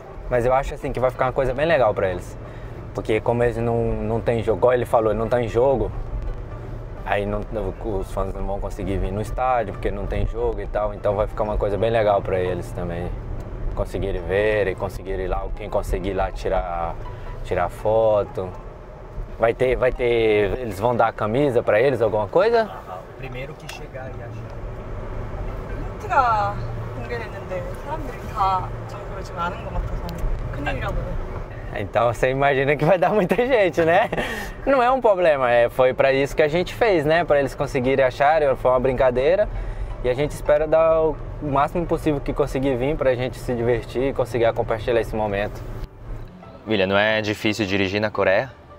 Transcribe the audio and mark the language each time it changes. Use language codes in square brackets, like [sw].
[pt] Mas eu acho assim que vai ficar uma coisa bem legal para eles. Porque como eles não têm jogo, igual ele falou, não tem jogo, aí os fãs não vão conseguir vir no estádio porque não tem jogo e tal. Então vai ficar uma coisa bem legal para eles também. Conseguirem ver e conseguirem ir lá, quem conseguir ir lá tirar foto. Vai ter. Eles vão dar a camisa pra eles, alguma coisa? Aham, primeiro que chegar e achar. [ko] 루트가 공개됐는데 사람들이 다 정보를 지금 아는 것 같아서 큰일이라고. [pt] Então você imagina que vai dar muita gente, né? Não é um problema, foi pra isso que a gente fez, né? Pra eles conseguirem achar, foi uma brincadeira. E a gente espera dar o máximo possível que conseguir vir pra gente se divertir e conseguir compartilhar esse momento. William, não é difícil dirigir na Coreia?